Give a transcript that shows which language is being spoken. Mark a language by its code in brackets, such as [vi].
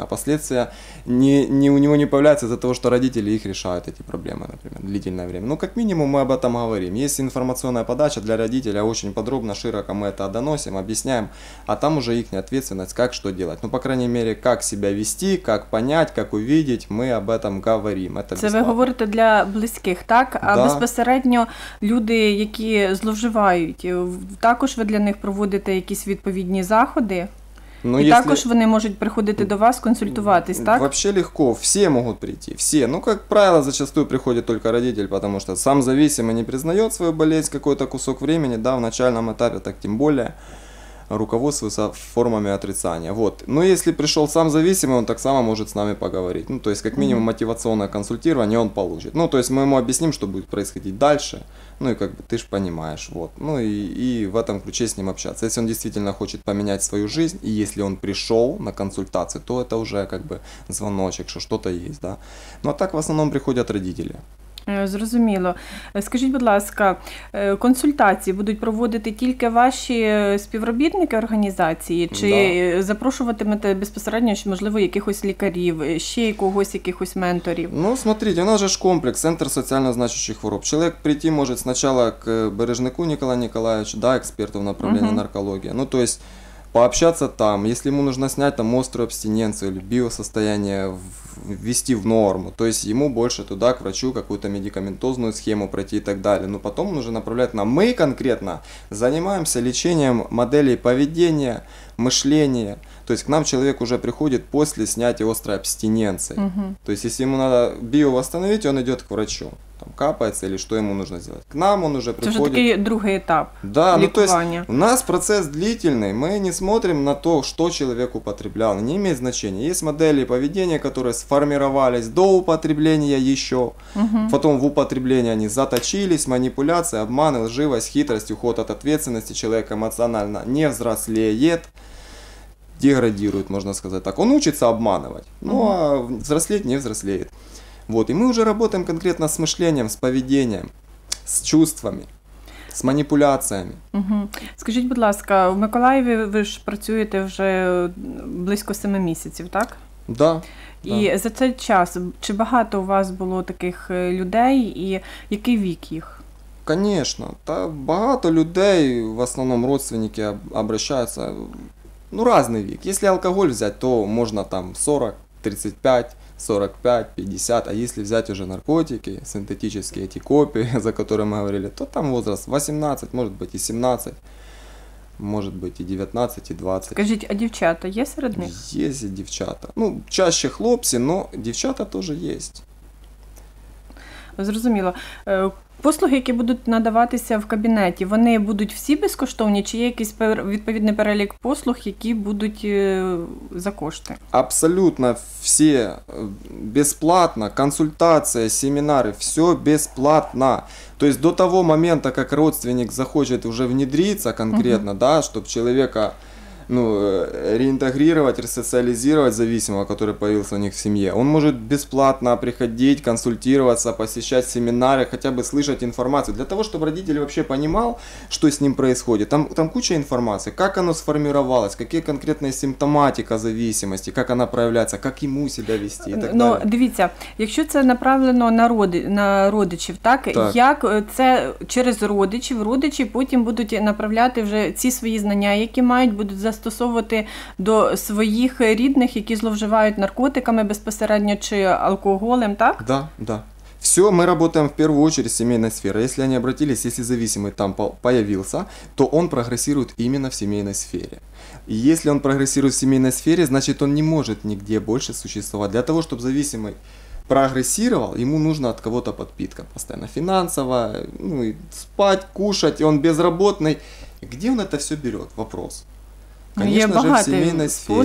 [ru] А последствия не у него не появляются из-за того, что родители их решают, эти проблемы, например, длительное время. Ну, как минимум, мы об этом говорим. Есть информационная подача для родителя, очень подробно, широко мы это доносим, объясняем. А там уже их ответственность, как что делать. Ну, по крайней мере, как себя вести, как понять, как увидеть, мы об этом говорим. Это [uk] Це ви говорите для близьких, так? А [ru] да. [uk] Безпосередньо люди, які зловживають, також ви для них проводите якісь відповідні заходи? Ну, і [ru] если... [uk] також вони можуть приходити до вас консультуватись, так? [ru] Вообще легко, [uk] всі можуть прийти, всі. Ну, як правило, зачастую приходить тільки родитель, тому що сам зависимий не признає свою [ru] болезнь какой-то кусок времени, [uk] да, в начальному етапі, так тим більше. [ru] руководствуются формами отрицания. Вот. Но если пришел сам зависимый, он так само может с нами поговорить. Ну, то есть, как минимум, мотивационное консультирование он получит. Ну, то есть, мы ему объясним, что будет происходить дальше. Ну, и как бы ты же понимаешь. Вот. Ну, и в этом ключе с ним общаться. Если он действительно хочет поменять свою жизнь, и если он пришел на консультацию, то это уже как бы звоночек, что что-то есть. Да? Ну, а так в основном приходят родители. [uk] Зрозуміло. Скажіть, будь ласка, консультації будуть проводити тільки ваші співробітники організації, чи да. запрошуватимете безпосередньо, можливо, якихось лікарів, ще когось, якихось менторів? [ru] Ну, смотрите, [uk] у нас же ж комплекс, центр соціально значущих хвороб. Чоловік прийти може спочатку к бережнику Николаю Ніколаєвичу, да, експерту [ru] в направлении [uk] наркології. [ru] Ну, то есть, пообщаться там, если ему нужно снять там острую абстиненцию или биосостояние, ввести в норму, то есть ему больше туда, к врачу, какую-то медикаментозную схему пройти и так далее. Но потом нужно направлять нам. Мы конкретно занимаемся лечением моделей поведения, мышления. То есть к нам человек уже приходит после снятия острой абстиненции. Угу. То есть если ему надо био восстановить, он идет к врачу. Там капается или что ему нужно сделать. К нам он уже приходит. Это же такой другой этап лекувания. Ну, то есть у нас процесс длительный. Мы не смотрим на то, что человек употреблял. Не имеет значения. Есть модели поведения, которые сформировались до употребления еще. Угу. Потом в употреблении они заточились. Манипуляции, обманы, лживость, хитрость, уход от ответственности. Человек эмоционально не взрослеет. Деградирует, можно сказать так. Он учится обманывать. Ну, угу. А взрослеть не взрослеет. Вот, и мы уже работаем конкретно с мышлением, с поведением, с чувствами, с манипуляциями. Угу. [uk] Скажіть, будь ласка, в Миколаєві ви ж працюєте вже близько 7 місяців, так? [ru] Да. [uk] І да. за цей час, чи багато у вас було таких людей і який вік їх? Конечно, та багато людей, в основному [ru] родственники обращаются, ну, разный [uk] вік. Якщо алкоголь взяти, то можна там 40, 35. [ru] 45, 50, а если взять уже наркотики, синтетические эти копии, за которые мы говорили, то там возраст 18, может быть и 17, может быть и 19, и 20. Скажите, а девчата есть серед них? Есть и девчата. Ну, чаще хлопцы, но девчата тоже есть. [uk] Зрозуміло. Послуги, які будуть надаватися в кабінеті, вони будуть всі безкоштовні, чи є якийсь відповідний перелік послуг, які будуть за кошти? Абсолютно всі безплатно. Консультація, семінари, все безплатно. Тобто до того моменту, як родственник захоче вже внедритися конкретно, угу. да, щоб чоловіка ну, [ru] реинтегрировать, ресоциализировать зависимого, который появился у них в семье. Он может бесплатно приходить, консультироваться, посещать семинары, хотя бы слышать информацию. Для того, чтобы родитель вообще понимал, что с ним происходит. Там куча информации, как оно сформировалось, какие конкретные симптоматика зависимости, как она проявляется, как ему себя вести и так Но, далее. [uk] Но, дивіться, якщо це направлено на родичів, так? Так. Як це через родичів, родичі потім будуть направляти вже ці свої знання, які мають, будуть застосовувати до своїх рідних, які зловживають наркотиками безпосередньо чи алкоголем, так? [ru] Да, да. [uk] Все, ми працюємо в першу чергу з сімейною сферою. Якщо вони звернулися, якщо зависимий там з'явився, то він прогресує саме в сімейній сфері. І якщо він прогресує в сімейній сфері, значить він не може нігде більше существувати. [ru] Для того, щоб зависимий прогрессировал, ему нужна от кого-то подпитка постоянно финансовая, ну и спать, кушать, и он безработный. Где он это все берет? Вопрос. Конечно же, в семейной сфере.